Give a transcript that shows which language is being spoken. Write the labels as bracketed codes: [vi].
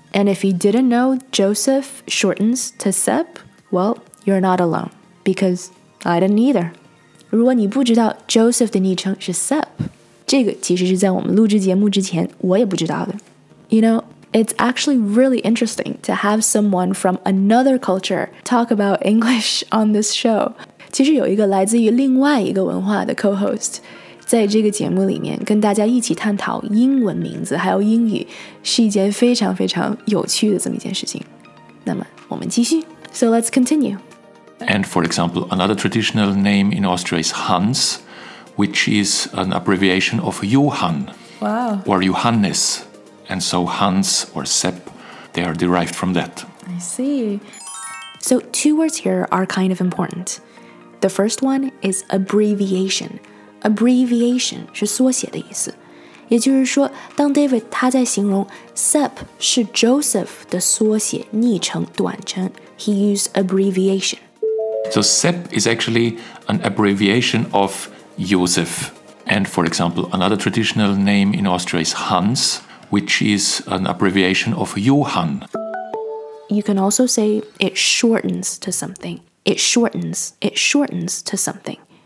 [en] And if you didn't know Joseph shortens to SEPP, well, you're not alone. Because I didn't either. [zh] 如果你不知道 Joseph 的昵称是 SEPP,这个其实是在我们录制节目之前我也不知道的。 [en] You know, it's actually really interesting to have someone from another culture talk about English on this show. [zh] 其实有一个来自于另外一个文化的 co-host 在这个节目里面跟大家一起探讨英文名字还有英语，是一件非常非常有趣的这么一件事情。那么我们继续。 [en] So let's continue. And for example, another traditional name in Austria is Hans. Which is an abbreviation of Johann. Wow. Or Johannes. And so Hans or SEPP, they are derived from that. I see. So two words here are kind of important. The first one is abbreviation. [zh] Abbreviation 是缩写的意思。也就是说，当 David 他在形容 SEPP 是 Joseph 的缩写昵称短称， [en] he used abbreviation. So SEPP is actually an abbreviation ofJosef. And for example, another traditional name in Austria is Hans, which is an abbreviation of Johann. You can also say it shortens to something. It shortens to something.